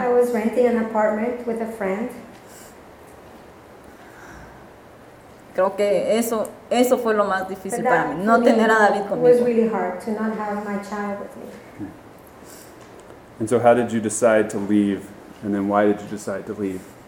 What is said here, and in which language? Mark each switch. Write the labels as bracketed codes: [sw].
[en] I was renting an apartment with a friend. [es] Creo que eso fue lo más difícil para mí, no tener a David conmigo. [en] It was really hard to not have my child with me. And so how did you decide to leave? And then why did you decide to leave?